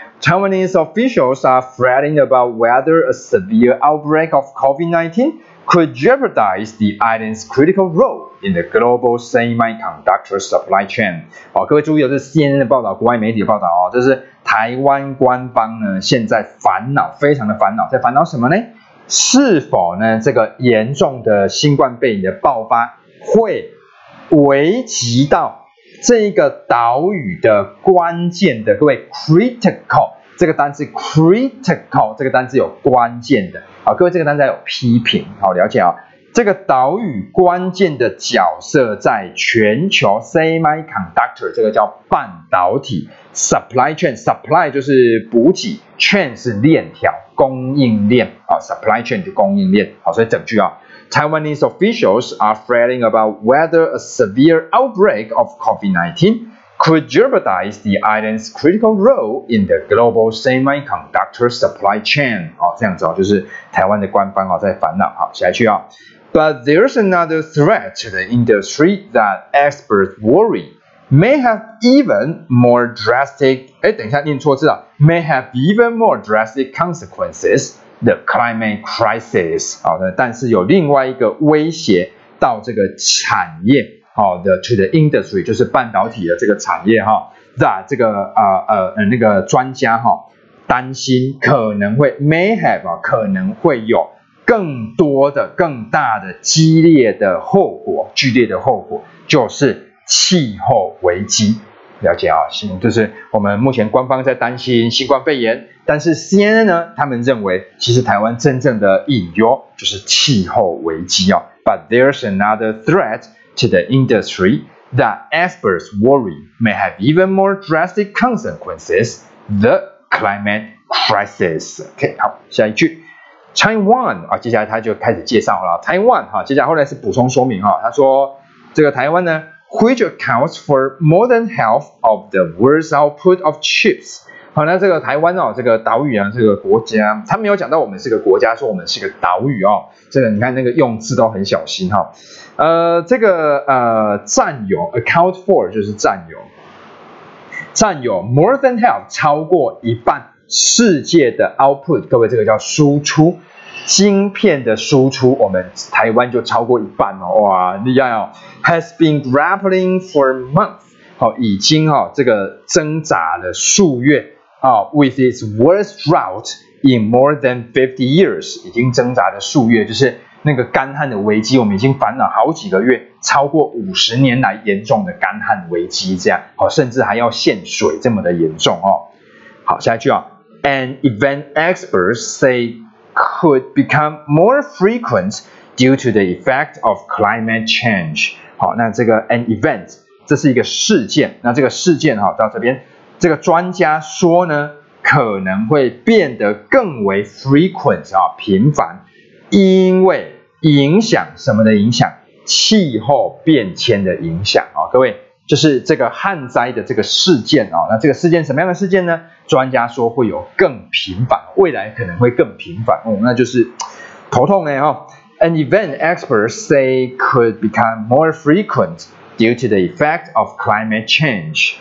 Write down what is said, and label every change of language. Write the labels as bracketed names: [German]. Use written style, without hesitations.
[English] Taiwanese officials are fretting about whether a severe outbreak of COVID-19 could jeopardize the island's critical role in the global semiconductor supply chain. [Chinese] 哦，各位注意，这是 CNN 的报道，国外媒体的报道哦，这是台湾官方呢现在烦恼，非常的烦恼，在烦恼什么呢？是否呢这个严重的新冠肺炎的爆发会危及到这一个岛屿的关键的，各位 critical 这个单字 critical 这个单字有关键的，好，各位这个单字有批评，好，了解啊、哦，这个岛屿关键的角色在全球 semiconductor 这个叫半导体 supply chain， supply 就是补给， chain 是链条供应链、哦、supply chain 就供应链，好，所以整句啊、哦， [English] Taiwanese officials are fretting about whether a severe outbreak of COVID-19 could jeopardize the island's critical role in the global semiconductor supply chain. [Chinese] 好、哦，这样子哦，就是台湾的官方哦在烦恼。好，下一句啊、哦。 [English] But there's another threat to the industry that experts worry may have even more drastic. [Chinese] 哎，等一下，念错字了。 [English] May have even more drastic consequences. The climate crisis， [Chinese] 好的，但是有另外一个威胁到这个产业，好的 ，to the industry 就是半导体的这个产业哈，在这个那个专家哈担心可能会 may have 可能会有更多的、更大的、激烈的后果，剧烈的后果就是气候危机。了解啊，就是我们目前官方在担心新冠肺炎，但是 CNN 呢，他们认为其实台湾真正的隐忧就是气候危机哦。 [English] But there's another threat to the industry that experts worry may have even more drastic consequences: the climate crisis. [Chinese] OK， 好，下一句 ，Taiwan 啊，接下来他就开始介绍了 Taiwan 哈、啊，接下来后来是补充说明哈、啊，他说这个台湾呢。 [English] Which accounts for more than half of the world's output of chips. [Chinese] 好，那这个台湾哦，这个岛屿啊，这个国家，他没有讲到我们是个国家，说我们是个岛屿哦。这个你看那个用字都很小心哈、哦。这个占有 account for 就是占有 more than half 超过一半世界的 output， 各位这个叫输出，晶片的输出，我们台湾就超过一半哦，哇，厉害哦 ！ [English] Has been grappling for months， [Chinese] 好、哦，已经哈、哦、这个挣扎了数月啊、哦、， [English] with its worst drought in more than 50 years， [Chinese] 已经挣扎了数月，就是那个干旱的危机，我们已经烦恼好几个月，超过50年来严重的干旱危机，这样，好、哦，甚至还要限水这么的严重哦。好，下一句啊、哦、， [English] An event experts say。 Could become more frequent due to the effect of climate change. [Chinese] 好，那这个 an event， 这是一个事件。那这个事件哈，到这边，这个专家说呢，可能会变得更为 frequent 啊，频繁，因为影响什么的影响？气候变迁的影响啊，各位。就是这个旱灾的这个事件啊、哦，那这个事件什么样的事件呢？专家说会有更频繁，未来可能会更频繁哦，那就是头痛哎哈、哦。 [English] An event experts say could become more frequent due to the effect of climate change.